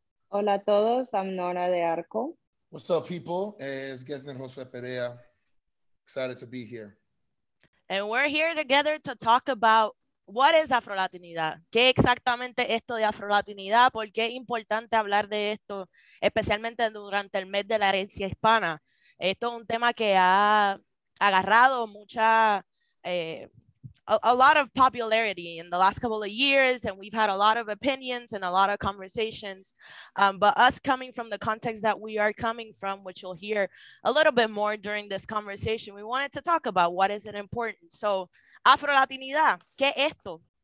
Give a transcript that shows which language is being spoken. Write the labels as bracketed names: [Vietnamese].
[Spanish] Hola a todos, [English] I'm [Spanish] Nora de Arco. [English] What's up, people? It's Gessner Josue Perea. Excited to be here. And we're here together to talk about what is Afrolatinidad. [Spanish] ¿Qué exactamente esto de Afrolatinidad? ¿Por qué es importante hablar de esto, especialmente durante el mes de la herencia hispana? Esto es un tema que ha agarrado mucha... [English] A lot of popularity in the last couple of years, and we've had a lot of opinions and a lot of conversations. But us coming from the context that we are coming from, which you'll hear a little bit more during this conversation, we wanted to talk about what is it important. [Spanish] So, Afrolatinidad, ¿qué es esto?